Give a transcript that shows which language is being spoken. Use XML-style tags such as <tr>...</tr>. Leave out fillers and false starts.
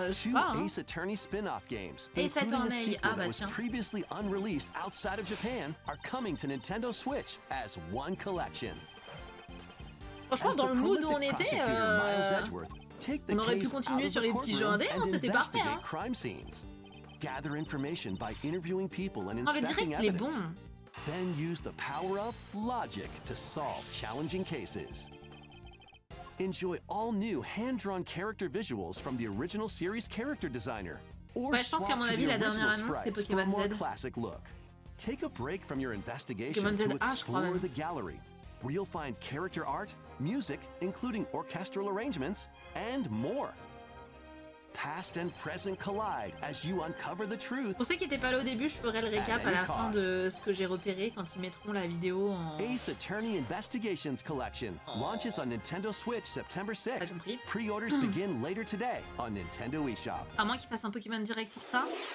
<en>Ace Attorney spin-off games. Ace Attorney,</en> <fr>ah bah tiens.</fr> <en>Previously unreleased outside of Japan are coming to Nintendo Switch as one collection.</en> <fr>Franchement, dans le mood où on était, on aurait pu continuer sur les petits jeux indés, hein, c'était parfait. Hein.</fr> <en>Gather information by interviewing people and inspecting evidence.</en> <fr>Oh, le direct est bon.</fr> <en>Then use the power of logic to solve challenging cases. Enjoy all new hand-drawn character visuals from the original series character designer.</en> <fr>Or ouais, je pense qu'à mon avis, la dernière annonce, c'est Pokémon Z.</fr> <en>Classic look. Take a break from your investigation to explore the gallery, where you'll find character art, music, including orchestral arrangements, and more. past and present collide as you uncover the truth.</en> <fr>Pour ceux qui n'étaient pas là au début, je ferai le récap à la fin de ce que j'ai repéré quand ils mettront la vidéo en...</fr> <en>Ace Attorney Investigations Collection launches on Nintendo Switch September 6th. Pre-orders begin later today on Nintendo eShop.</en> <fr>À moins qu'ils fassent un Pokémon direct pour ça.</fr>